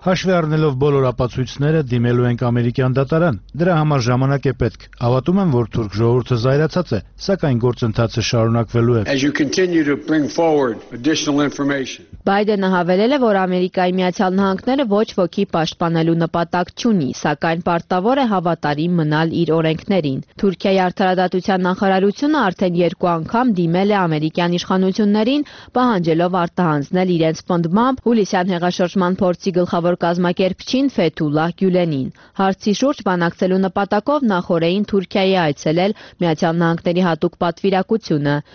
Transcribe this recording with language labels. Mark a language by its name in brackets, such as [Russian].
[Armenian] Հաշվի առնելով բոլոր ապացույցները, դիմելու ենք ամերիկյան դատարան։ Դրա համար ժամանակ է պետք։ Հավատում եմ, որ թուրք ժողովուրդը զայրացած է, սակայն գործընթացը շարունակվելու է։ [English] As you continue to bring forward additional information. [Armenian] Բայդենը հավելել է, որ Ամերիկայի Միացյալ Նահանգները ոչ ոքի պաշտպանելու նպատակ չունի, սակայն պարտավոր է հավատարիմ մնալ իր օրենքներին։ Թուրքիայի արտարադատության նախարարությունը արդեն երկու անգամ դիմել է ամերիկյան իշխանություններին, պահանջելով արտահանձնել իրենց ֆոնդմամբ Հուլիսյան հեղաշրջման փորձի գլխավոր կազմակերպչին Ֆեթուլլա Գյուլենին։ Հարցի շուրջ բանակցելու նպատակով նախորդին Թուրքիայի այցելել Միացյալ Նահանգների հատուկ պատվիրակությունը։